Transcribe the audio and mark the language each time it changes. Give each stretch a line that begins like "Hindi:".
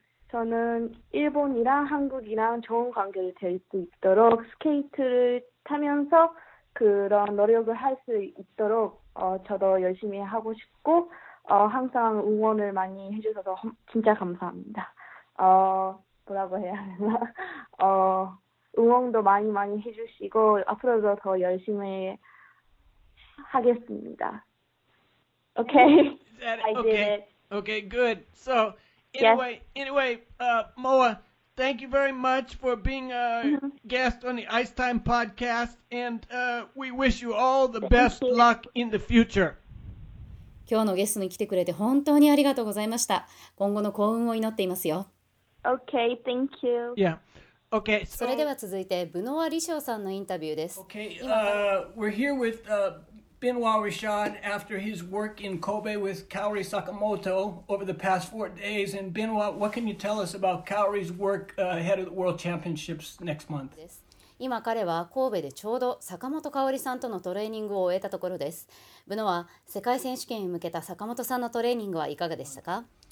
Korean: 저는 일본이랑 한국이랑 좋은 관계를 될 수 있도록 스케이트를 타면서 그런 노력을 할 수 있도록 저도 열심히 하고 싶고 항상 응원을 많이 해주셔서 진짜 감사합니다. 뭐라고 해야 하나? 응원도 많이 많이 해주시고 앞으로도 더 열심히 하겠습니다.
English: Okay. I did it. Okay, good. So... Anyway, Moa, thank you very much for being a guest on the Ice Time podcast, and we wish you all the best luck in the future.
Japanese: 今日のゲストに来てくれて本当にありがとうございました。今後の幸運を祈っていますよ。
English: Okay, thank you. Yeah. Okay.
Japanese: So, それでは続いてブノワ・リショーさんのインタビューです。
English: Okay. We're here with Benoit Richard after his work in Kobe with Kaori Sakamoto over the past 4 days. And Benoit, what can you tell us about Kaori's work ahead of the World Championships next month?
Japanese: 今彼は神戸でちょうど坂本香織さんとのトレーニングを終えたところです。ブノワ、世界選手権に向けた坂本さんのトレーニングはいかがでしたか？